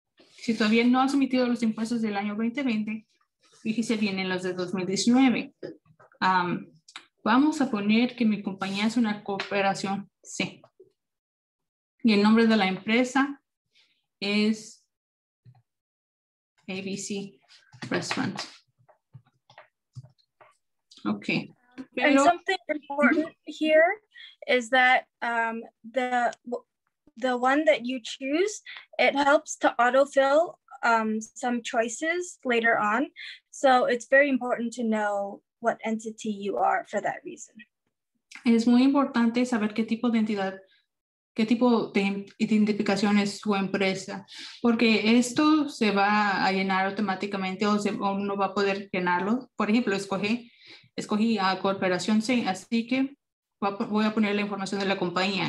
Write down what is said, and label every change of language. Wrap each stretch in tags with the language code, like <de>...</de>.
<es>Si todavía no ha sumitido los impuestos del año 2020, fíjese bien en los de 2019. Vamos a poner que mi compañía es una cooperación C. Y el nombre de la empresa es ABC Restaurant. Ok.</es> <en>Pero, and something important here is that the one that you choose, it helps to autofill some choices later on. So it's very important to know what entity you are for that reason.</en> <es>Es muy importante saber qué tipo de entidad, qué tipo de identificación es su empresa, porque esto se va a llenar automáticamente o no va a poder llenarlo. Por ejemplo, escogí a Corporación C, así que voy a poner la información de la compañía.</es>